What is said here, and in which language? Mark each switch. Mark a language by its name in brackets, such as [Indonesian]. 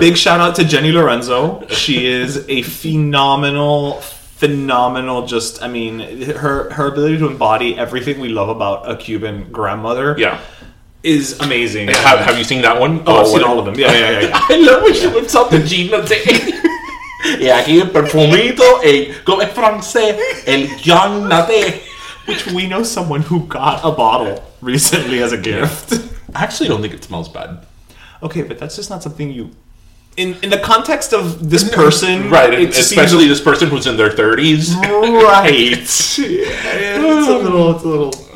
[English] Big shout out to Jenny Lorenzo. She is a phenomenal, just, I mean, her ability to embody everything we love about a Cuban grandmother is amazing. Have you seen that one? Oh, I've seen all of them. Yeah. I love when she whips up the Gina thing. [Spanish] Yeah, aquí el perfumito, como es francés, el Jean Nate. [English] Which we know someone who got a bottle recently as a gift. I actually don't think it smells bad. Okay, but that's just not something you... In the context of this person... Right, especially this person who's in their 30s. Right. It's a little...